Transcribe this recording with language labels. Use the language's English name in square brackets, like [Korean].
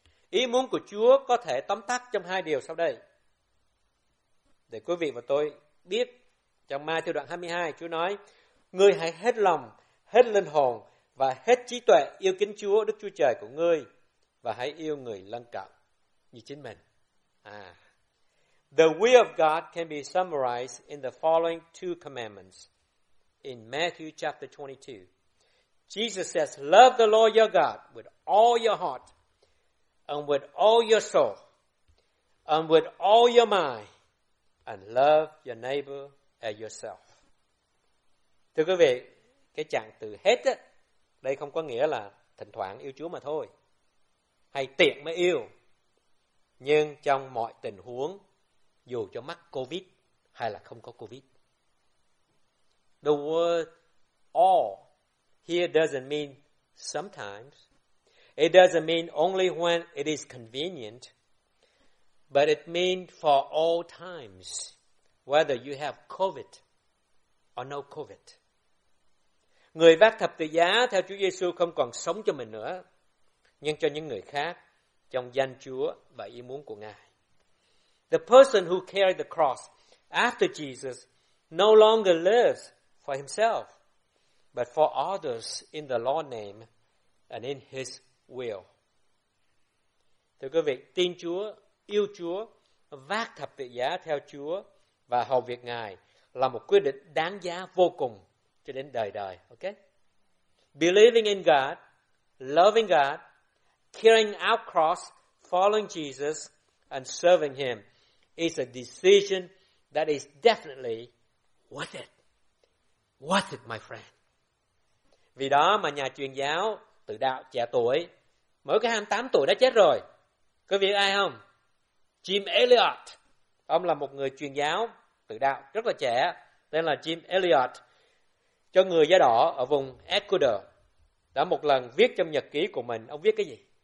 [Vietnamese] Ý muốn của Chúa có thể tóm tắt trong hai điều sau đây. Để quý vị và tôi biết, trong Ma-thi-ơ đoạn 22, Chúa nói: ngươi hãy hết lòng, hết linh hồn và hết trí tuệ yêu kính Chúa, Đức Chúa Trời của ngươi, và hãy yêu người lân cận như chính mình. [English] The will of God can be summarized in the following two commandments. In Matthew chapter 22, Jesus says, love the Lord your God with all your heart and with all your soul and with all your mind and love your neighbor as yourself. [Vietnamese] Thưa quý vị, cái trạng từ hết á, đây không có nghĩa là thỉnh thoảng yêu Chúa mà thôi, hay tiện mới yêu. Nhưng trong mọi tình huống, dù cho mắc COVID hay là không có COVID. [English] The word all here doesn't mean sometimes. It doesn't mean only when it is convenient. But it means for all times, whether you have COVID or no COVID. [Vietnamese] Người vác thập tự giá theo Chúa Giê-xu không còn sống cho mình nữa, nhưng cho những người khác trong danh Chúa và ý muốn của Ngài. [English] The person who carried the cross after Jesus no longer lives for himself, but for others in the Lord's name and in his will. [Vietnamese] Thưa quý vị, tin Chúa, yêu Chúa, vác thập tự giá theo Chúa và hầu việc Ngài là một quyết định đáng giá vô cùng cho đến đời đời, ok? [English] Believing in God, loving God, carrying our cross, following Jesus, and serving Him is a decision that is definitely worth it. Worth it, my friend. [Vietnamese] Vì đó mà nhà truyền giáo tự đạo trẻ tuổi, mới có 28 tuổi đã chết rồi. Có biết ai không? Jim Elliot. Ông là một người truyền giáo tự đạo rất là trẻ, tên là Jim Elliot, cho người da đỏ ở vùng Ecuador, đã một lần viết trong nhật ký của mình. Ông viết cái gì?